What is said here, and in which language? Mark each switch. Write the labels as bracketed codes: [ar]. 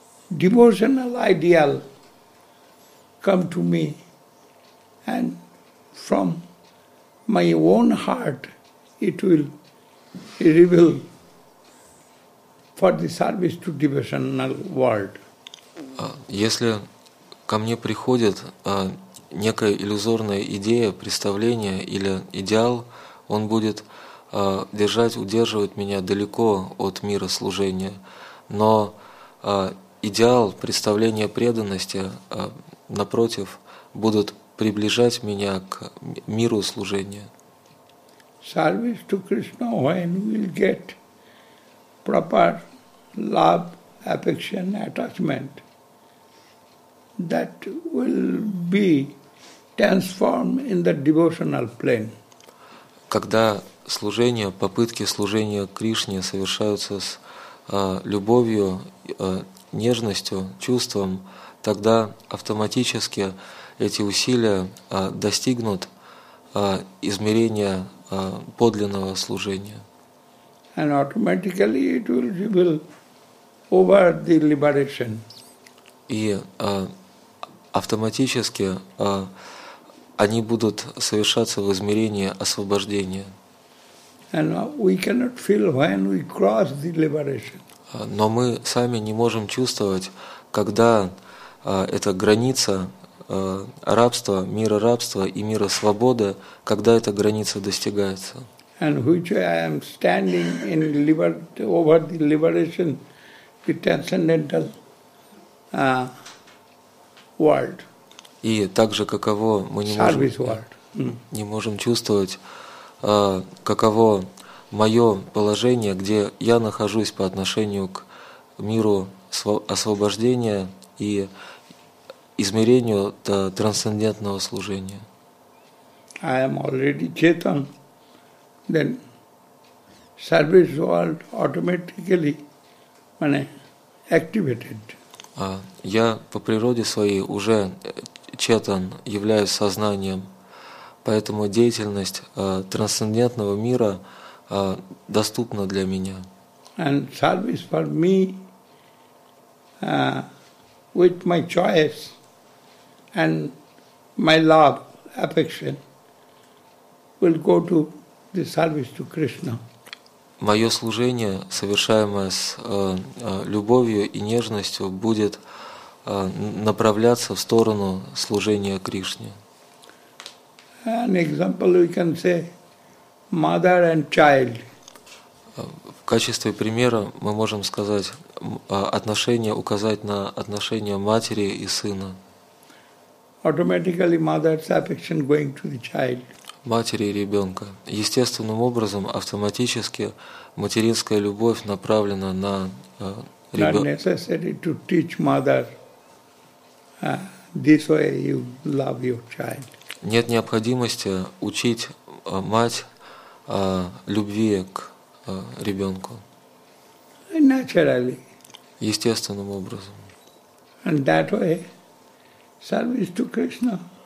[en] Devotional ideal come to me and from my own heart it will reveal for the service to devotional world. [ru] Если ко мне приходит некая иллюзорная идея, представление или идеал, он будет держать, удерживать меня далеко от мира служения. Но идеал, представление преданности напротив, будут приближать меня к миру служения. [en] Service to Krishna when we'll get proper love, affection, attachment that will be transformed in the devotional plane. [ru] Когда служение, попытки служения Кришне совершаются с любовью, нежностью, чувством, тогда автоматически эти усилия достигнут измерения подлинного служения. [en] And automatically it will reveal over the liberation. [ru] И автоматически они будут совершаться в измерении освобождения. [en] And we cannot feel when we cross the liberation. [ru] Но мы сами не можем чувствовать, когда эта граница рабства, мира рабства и мира свободы, когда эта граница достигается. [en] And which I am standing in over the liberation, the transcendental world. [ru] И также каково мы не можем, не можем чувствовать, каково мое положение, где я нахожусь по отношению к миру освобождения и измерению трансцендентного служения. [en] I am already Chetan. Then service world automatically meaning activated. [ru] Я по природе своей уже Chetan, являюсь сознанием, поэтому деятельность трансцендентного мира доступна для меня. [en] And service for me with my choice and my love, affection will go to the service to Krishna. [ru] Моё служение, совершаемое с любовью и нежностью, будет направляться в сторону служения Кришне. [en] An example we can say mother and child. [ru] В качестве примера мы можем сказать отношение, указать на отношения матери и сына. [en] Automatically mother's affection going to the child. [ru] Матери и ребенка. Естественным образом автоматически материнская любовь направлена на ребенка. [en] Not necessary to teach mother this way you love your child. [ru] Нет необходимости учить мать любви к ребенку. [en] Naturally. [ru] Естественным образом. [en] And that way service to Krishna.